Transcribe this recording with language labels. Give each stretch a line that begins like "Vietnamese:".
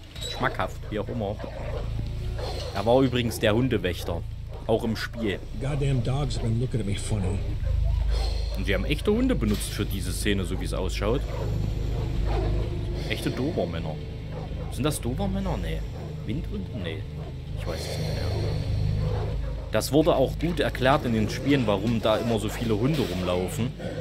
German: Schmackhaft, wie auch immer. Er war übrigens der Hundewächter. Auch im Spiel.
English: Goddamn dogs have been looking at me funny.
German: Und sie haben echte Hunde benutzt für diese Szene, so wie es ausschaut. Echte Dobermänner. Sind das Dobermänner? Nee. Windhunde? Nee. Ich weiß es nicht mehr. Das wurde auch gut erklärt in den Spielen, warum da immer so viele Hunde rumlaufen.